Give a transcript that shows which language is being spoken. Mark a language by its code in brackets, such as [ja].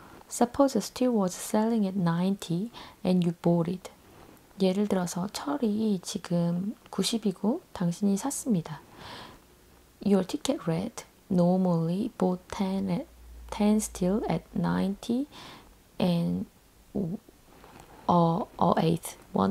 [en] Suppose steel was selling at 90 and you bought it. [ko] 예를 들어서 철이 지금 90이고 당신이 샀습니다. [en] Your ticket read normally bought 10 steel at 90 and 1/8.